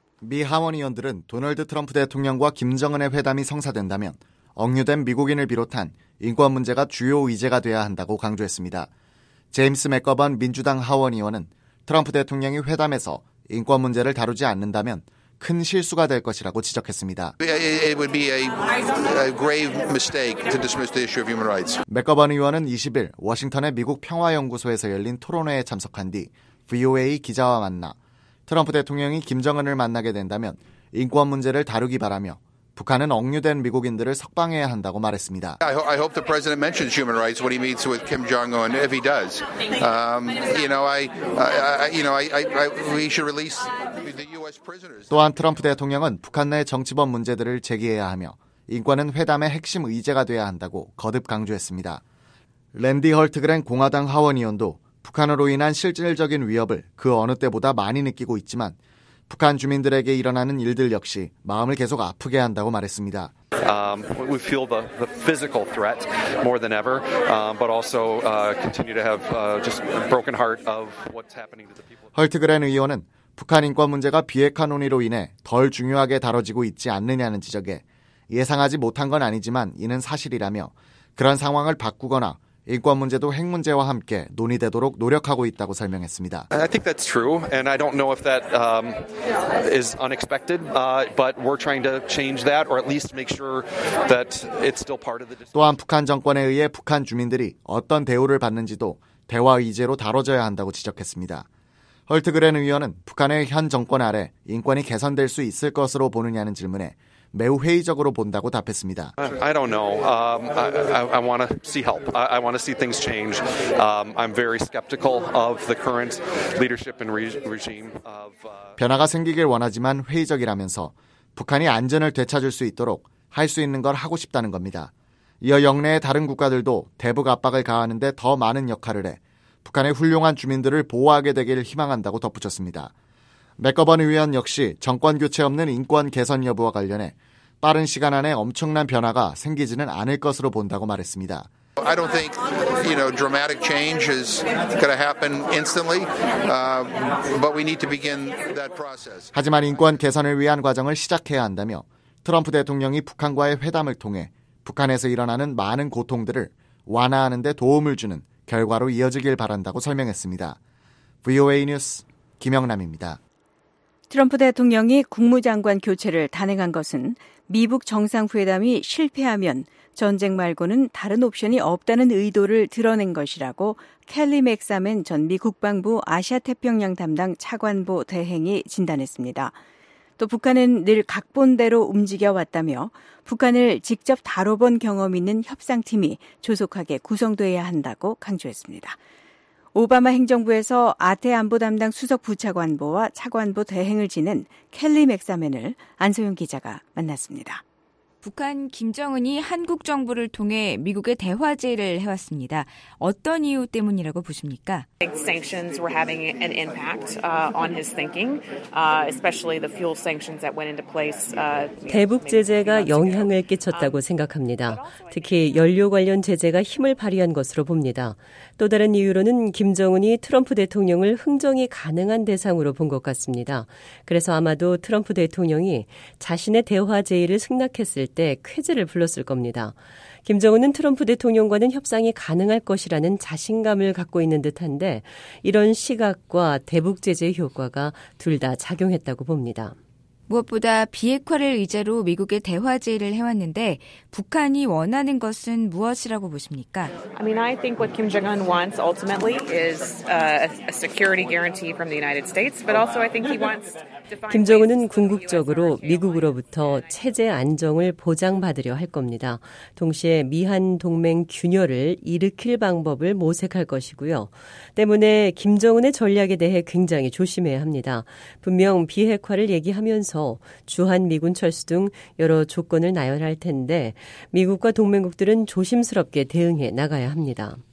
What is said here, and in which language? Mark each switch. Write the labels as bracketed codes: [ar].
[ko] 미 하원 의원들은 도널드 트럼프 대통령과 김정은의 회담이 성사된다면 억류된 미국인을 비롯한 인권 문제가 주요 의제가 돼야 한다고 강조했습니다. 제임스 맥거번 민주당 하원 의원은 트럼프 대통령이 회담에서 인권 문제를 다루지 않는다면 큰 실수가 될 것이라고 지적했습니다. [en] It would be a grave mistake to dismiss the issue of human rights. 맥거번 [ko] 의원은 20일 워싱턴의 미국 평화연구소에서 열린 토론회에 참석한 뒤 VOA 기자와 만나 트럼프 대통령이 김정은을 만나게 된다면 인권 문제를 다루기 바라며 북한은 억류된 미국인들을 석방해야 한다고 말했습니다. [en] I hope the president mentions human rights when he meets with Kim Jong-un. If he does, we should release the U.S. prisoners. [ko] 또한 트럼프 대통령은 북한 내 정치범 문제들을 제기해야 하며 인권은 회담의 핵심 의제가 돼야 한다고 거듭 강조했습니다. 랜디 헐트그랜 공화당 하원 의원도 북한으로 인한 실질적인 위협을 그 어느 때보다 많이 느끼고 있지만 북한 주민들에게 일어나는 일들 역시 마음을 계속 아프게 한다고 말했습니다. [en] We feel the physical threat more than ever, but also continue to have just broken heart of what's happening to the people. [ko] 헐트그렌 의원은 북한 인권 문제가 비핵화 논의로 인해 덜 중요하게 다뤄지고 있지 않느냐는 지적에 예상하지 못한 건 아니지만 이는 사실이라며 그런 상황을 바꾸거나 인권 문제도 핵 문제와 함께 논의되도록 노력하고 있다고 설명했습니다. [en] I think that's true, and I don't know if that is unexpected, but we're trying to change that, or at least make sure that it's still part of the. [ko] 또한 북한 정권에 의해 북한 주민들이 어떤 대우를 받는지도 대화 의제로 다뤄져야 한다고 지적했습니다. 헐트그렌 의원은 북한의 현 정권 아래 인권이 개선될 수 있을 것으로 보느냐는 질문에 매우 회의적으로 본다고 답했습니다. [en] I don't know. I want to see help. I want to see things change. I'm very skeptical of the current leadership and regime of. [ko] 변화가 생기길 원하지만 회의적이라면서 북한이 안전을 되찾을 수 있도록 할 수 있는 걸 하고 싶다는 겁니다. 이어 영내의 다른 국가들도 대북 압박을 가하는 데 더 많은 역할을 해 북한의 훌륭한 주민들을 보호하게 되기를 희망한다고 덧붙였습니다. 맥거번 의원 역시 정권 교체 없는 인권 개선 여부와 관련해 빠른 시간 안에 엄청난 변화가 생기지는 않을 것으로 본다고 말했습니다. [en] I don't think, you know, dramatic change is going to happen instantly, but we need to begin that process. [ko] 하지만 인권 개선을 위한 과정을 시작해야 한다며 트럼프 대통령이 북한과의 회담을 통해 북한에서 일어나는 많은 고통들을 완화하는 데 도움을 주는 결과로 이어지길 바란다고 설명했습니다. VOA 뉴스 김영남입니다. 트럼프 대통령이 국무장관 교체를 단행한 것은 미북 정상회담이 실패하면 전쟁 말고는 다른 옵션이 없다는 의도를 드러낸 것이라고 켈리 맥사멘 전 미 국방부 아시아태평양 담당 차관보 대행이 진단했습니다. 또 북한은 늘 각본대로 움직여왔다며 북한을 직접 다뤄본 경험 있는 협상팀이 조속하게 구성돼야 한다고 강조했습니다. 오바마 행정부에서 아태 안보 담당 수석 부차관보와 차관보 대행을 지낸 켈리 맥사멘을 안소영 기자가 만났습니다. 북한 김정은이 한국 정부를 통해 미국의 대화 제의를 해왔습니다. 어떤 이유 때문이라고 보십니까? [en] Sanctions were having an impact on his thinking, especially the fuel sanctions that went into place. [ko] 대북 제재가 영향을 끼쳤다고 생각합니다. 특히 연료 관련 제재가 힘을 발휘한 것으로 봅니다. 또 다른 이유로는 김정은이 트럼프 대통령을 흥정이 가능한 대상으로 본 것 같습니다. 그래서 아마도 트럼프 대통령이 자신의 대화 제의를 승낙했을 때 쾌재를 불렀을 겁니다. 김정은은 트럼프 대통령과는 협상이 가능할 것이라는 자신감을 갖고 있는 듯한데 이런 시각과 대북 제재의 효과가 둘 다 작용했다고 봅니다. 무엇보다 비핵화를 의제로 미국의 대화 제의를 해왔는데 북한이 원하는 것은 무엇이라고 보십니까? [en] I mean, I think what Kim Jong-un wants ultimately is a security guarantee from the United States, but also I think he wants. [ko] 김정은은 궁극적으로 미국으로부터 체제 안정을 보장받으려 할 겁니다. 동시에 미한 동맹 균열을 일으킬 방법을 모색할 것이고요. 때문에 김정은의 전략에 대해 굉장히 조심해야 합니다. 분명 비핵화를 얘기하면서 주한미군 철수 등 여러 조건을 나열할 텐데 미국과 동맹국들은 조심스럽게 대응해 나가야 합니다.